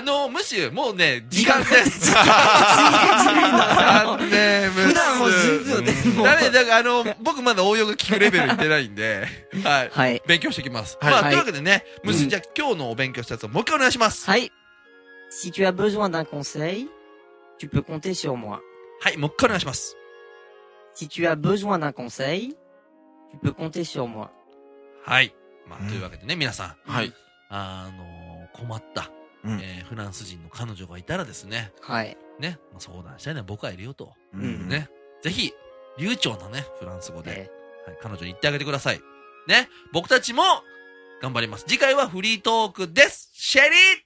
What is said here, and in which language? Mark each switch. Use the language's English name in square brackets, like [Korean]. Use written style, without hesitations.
[Japanese] むしろ、もうね、時間です。時間だ。ね、普段もずっとね、もう。だから、僕まだ応用が効くレベルいってないんで、はい。はい。勉強してきます。はい。まあ、というわけでね、むしろ、じゃあ、うん、今日のお勉強したやつをもう一回お願いします。はい。 [French] Si tu as besoin d'un conseil, tu peux compter sur moi. [Japanese] はい、もう一回お願いします。 [French] Si tu as besoin d'un conseil, tu peux compter sur moi. [Japanese] はい。まあ、というわけでね、皆さん。はい。困った。うん、フランス人の彼女がいたらですね。はい。ね。まあ、相談したいのは僕はいるよと。うん。ね。ぜひ、流暢なね、フランス語で、はい、彼女に言ってあげてください。ね。僕たちも、頑張ります。次回はフリートークです。シェリー、